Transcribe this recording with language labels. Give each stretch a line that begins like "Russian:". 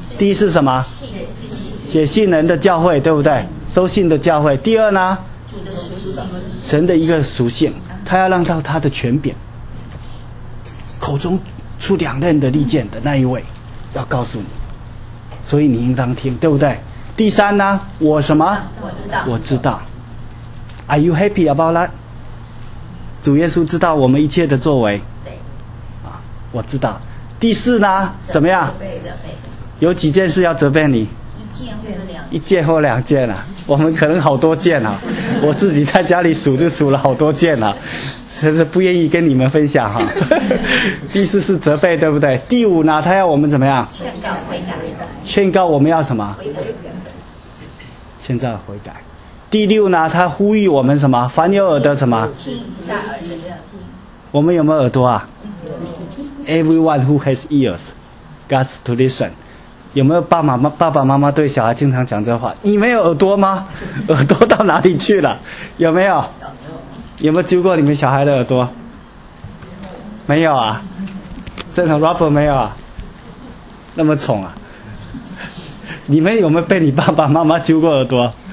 Chinese: 第一是什么？写信人的教会，对不对？收信的教会。第二呢？神的一个属性，他要让到他的权柄，口中出两刃的利剑的那一位，要告诉你，所以你应当听，对不对？第三呢？我什么？我知道。我知道。
English: Are you happy about that？
Chinese: 主耶稣知道我们一切的作为，对，啊，我知道。第四呢？怎么样？责备。有几件事要责备你？一件或两件。一件或两件啊？我们可能好多件啊！我自己在家里数就数了好多件啊，真是不愿意跟你们分享哈、啊。第四是责备，对不对？第五呢？他要我们怎么样？劝告悔改。劝告我们要什么？悔改。劝告悔改。第六呢，他呼吁我们什么？凡有耳的什么？听。我们有没有耳朵啊
English: ？Everyone who has ears, got to listen。
Chinese: 有没有爸妈妈爸爸妈妈对小孩经常讲这话？你没有耳朵吗？耳朵到哪里去了？有没有？有没有揪过你们小孩的耳朵？没有啊。真的 ，Robert 没有啊？那么宠啊？你们有没有被你爸爸妈妈揪过耳朵？